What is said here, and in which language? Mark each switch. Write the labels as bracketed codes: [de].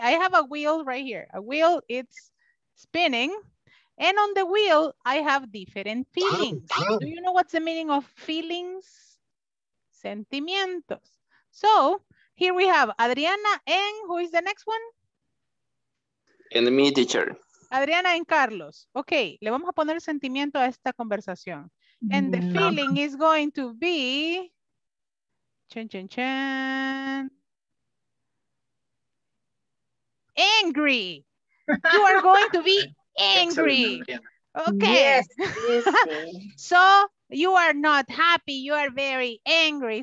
[en] I have a wheel right here. A wheel, it's spinning. And on the wheel, I have different feelings. Do you know what's the meaning of feelings? [es] Sentimientos. [en] So here we have Adriana and who is the next one? And me, teacher. Adriana and Carlos. [es] Okay, le vamos a poner sentimiento a esta conversación. [en] And the feeling is going to be angry. You are going to be angry. Okay. Yes. So you are not happy. You are very angry.